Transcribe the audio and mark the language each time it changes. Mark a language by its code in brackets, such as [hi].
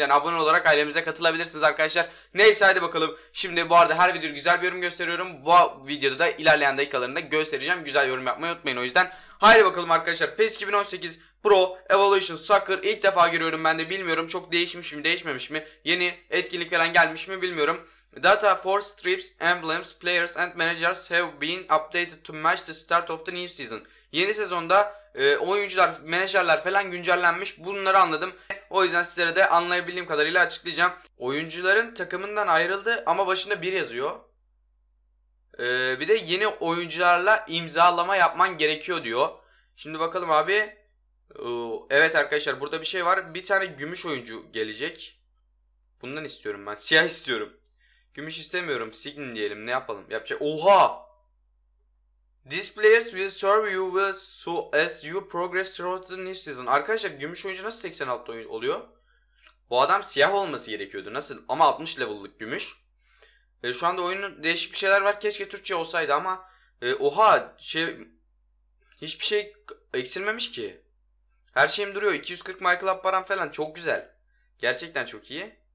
[tr] Yani abone olarak ailemize katılabilirsiniz arkadaşlar. Neyse hadi bakalım. Şimdi bu arada her videoda güzel bir yorum gösteriyorum. Bu videoda da ilerleyen dakikalarında göstereceğim, güzel yorum yapmayı unutmayın o yüzden. Haydi bakalım arkadaşlar, PES 2018 Pro Evolution Soccer ilk defa giriyorum ben de, bilmiyorum çok değişmiş mi değişmemiş mi, yeni etkinlik falan gelmiş mi bilmiyorum. [en] Data for strips, emblems, players and managers have been updated to match the start of the new season. [tr] Yeni sezonda oyuncular, menajerler falan güncellenmiş, bunları anladım. O yüzden sizlere de anlayabildiğim kadarıyla açıklayacağım. Oyuncuların takımından ayrıldı ama başında 1 yazıyor. Bir de yeni oyuncularla imzalama yapman gerekiyor diyor. Şimdi bakalım abi. Evet arkadaşlar, burada bir şey var. Bir tane gümüş oyuncu gelecek. Bundan istiyorum ben. Siyah istiyorum. Gümüş istemiyorum. Signe diyelim. Ne yapalım? Yapacak. Oha! [en] These players will serve you with so as you progress throughout the new season. [tr] Arkadaşlar gümüş oyuncu nasıl 86 oluyor? Bu adam siyah olması gerekiyordu. Nasıl? Ama 60 level'lık gümüş. Şu anda oyunun değişik bir şeyler var. Keşke Türkçe olsaydı ama. Oha! Hiçbir şey eksilmemiş ki. Her şeyim duruyor. 240 My Club param falan. Çok güzel. Gerçekten çok iyi.